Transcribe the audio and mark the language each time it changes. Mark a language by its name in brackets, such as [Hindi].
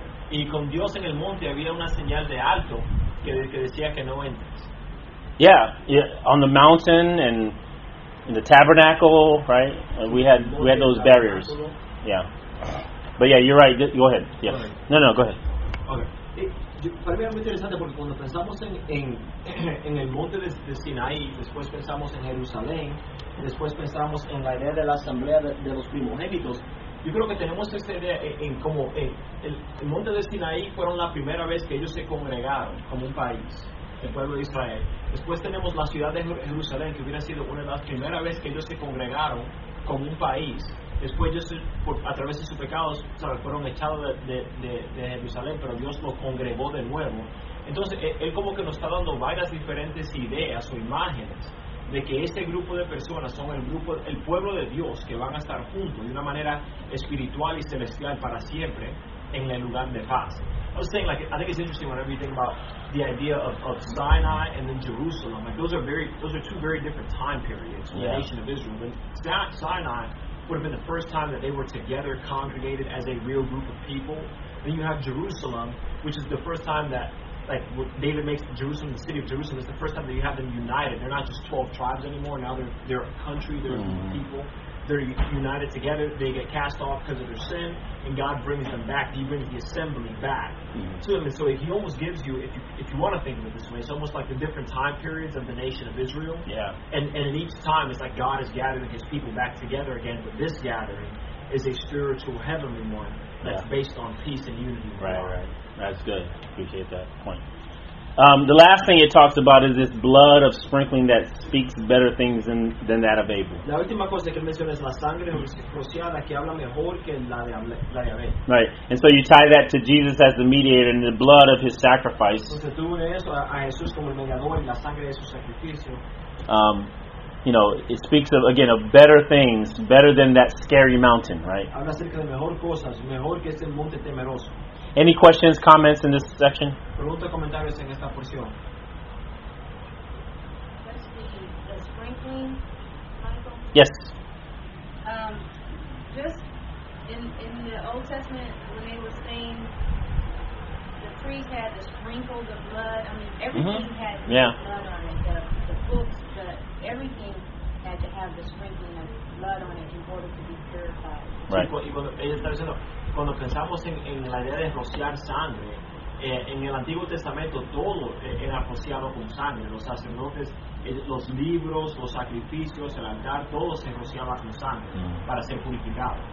[Spanish] Y con Dios en el monte había una señal de alto que decía que no entres. [English] Yeah, yeah, on the mountain and in the tabernacle, right? We had those barriers. Yeah, but yeah, you're right. Go ahead. Yeah. No, go ahead. Okay. [Spanish] Para mí es muy interesante porque cuando pensamos en el monte de Sinaí, después pensamos en Jerusalén, después pensamos en la idea de la asamblea de los primogénitos, yo creo que tenemos esta idea en como el monte de Sinaí fueron la primera vez que ellos se congregaron como un país, el pueblo de Israel. Después tenemos la ciudad de Jerusalén, que hubiera sido una de las primeras veces que ellos se congregaron como un país. Después ellos, a través de sus pecados, ¿sabes?, fueron echados de Jerusalén, pero Dios los congregó de nuevo. Entonces, él como que nos está dando varias diferentes ideas o imágenes de que este grupo de personas son el pueblo de Dios, que van a estar juntos de una manera espiritual y celestial para siempre en el lugar de paz. [English] I was saying, like, I think it's interesting whenever you think about the idea of Sinai and then Jerusalem. Like, those are two very different time periods in the nation of Israel. But Sinai would have been the first time that they were together, congregated as a real group of people. Then you have Jerusalem, which is the first time that, like, David makes Jerusalem, the city of Jerusalem, is the first time that you have them united. They're not just 12 tribes anymore. Now they're a country, they're a group of people. They're united together. They get cast off because of their sin, and God brings them back. He brings the assembly back to them. And so He almost gives you, if you want to think of it this way, it's almost like the different time periods of the nation of Israel. Yeah. And in each time, it's like God is gathering His people back together again. But this gathering is a spiritual, heavenly one that's based on peace and unity. Right, right. That's good. Appreciate that point. The last thing it talks about is this blood of sprinkling that speaks better things than that of Abel. [Spanish] La última cosa que menciona es la sangre rociada que habla mejor que la de Abel. [English] Right, and so you tie that to Jesus as the mediator and the blood of His sacrifice. [Spanish] Entonces tú unes eso a Jesús como el mediador y la sangre de su sacrificio. [English] You know, it speaks of, again, of better things, better than that scary mountain, right? [Spanish] Habla acerca de mejor cosas, mejor que ese monte temeroso. [English] Any questions, comments in this section? [Spanish] Pregunta, comentarios en esta porción. [English] What's the sprinkling, Michael? Yes. Just in the Old Testament, when they were saying the priest had to sprinkle the blood, I mean, everything had to blood on it. The books, everything had to have the sprinkling of blood on it in order to be purified. Right. [Spanish] Y cuando pensamos en la idea de rociar sangre, en el Antiguo Testamento todo era rociado con sangre. Los sacerdotes, los libros, los sacrificios, el altar, todo se rociaba con sangre para ser purificado.